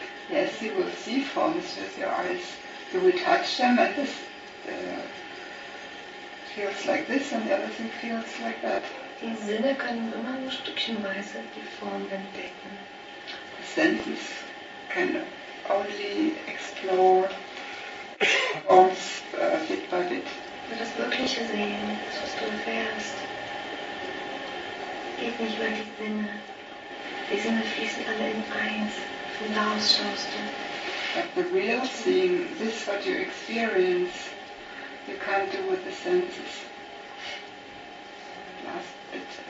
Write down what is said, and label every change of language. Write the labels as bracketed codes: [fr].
[en] Yes, you will see forms with your eyes. You will touch them and this feels like this and the other thing feels like that. [de] Die Sinne können immer nur stückchenweise die Form entdecken. [en] The senses can only explore forms bit by bit. [de] Nur das wirkliche Sehen, das was du erfährst, geht nicht über die Sinne. Die Sinne fließen alle in eins. Von da aus schaust du. [en] But the real seeing, this what you experience, you can't do with the senses. Last bit.